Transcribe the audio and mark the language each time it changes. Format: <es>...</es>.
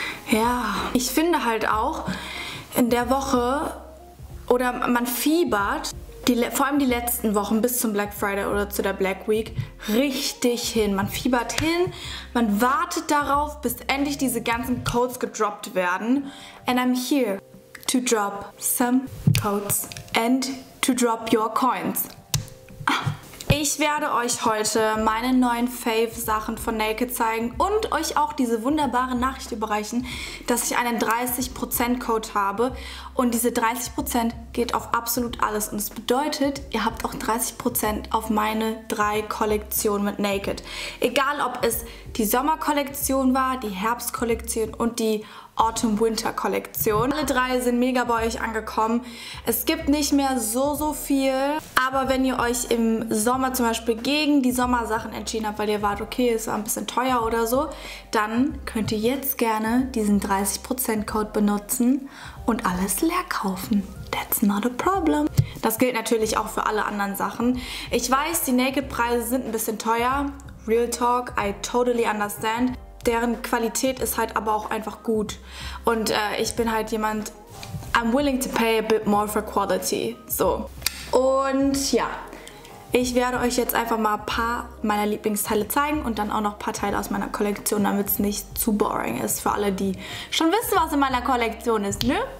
<de>Ja, ich finde halt auch in der Woche, oder man fiebert, vor allem die letzten Wochen bis zum Black Friday oder zu der Black Week, richtig hin. Man fiebert hin, man wartet darauf, bis endlich diese ganzen Codes gedroppt werden.</de> <en>And I'm here to drop some codes and to drop your coins.</en> <de>Ich werde euch heute meine neuen Fave-Sachen von Naked zeigen und euch auch diese wunderbare Nachricht überreichen, dass ich einen 30%-Code habe. Und diese 30% geht auf absolut alles. Und es bedeutet, ihr habt auch 30% auf meine drei Kollektionen mit Naked. Egal, ob es die Sommerkollektion war, die Herbstkollektion und die Autumn-Winter-Kollektion. Alle drei sind mega bei euch angekommen. Es gibt nicht mehr so viel. Aber wenn ihr euch im Sommer zum Beispiel gegen die Sommersachen entschieden habt, weil ihr wart, okay, es war ein bisschen teuer oder so, dann könnt ihr jetzt gerne diesen 30%-Code benutzen und alles leer kaufen.</de> <en>That's not a problem.</en> <de>Das gilt natürlich auch für alle anderen Sachen. Ich weiß, die Naked-Preise sind ein bisschen teuer.</de> <en>Real talk, I totally understand.</en> <de>Deren Qualität ist halt aber auch einfach gut. Und ich bin halt jemand,</de> <en>I'm willing to pay a bit more for quality.</en> <de>So. Und ja, ich werde euch jetzt einfach mal ein paar meiner Lieblingsteile zeigen und dann auch noch ein paar Teile aus meiner Kollektion, damit es nicht zu boring ist für alle, die schon wissen, was in meiner Kollektion ist, ne?</de>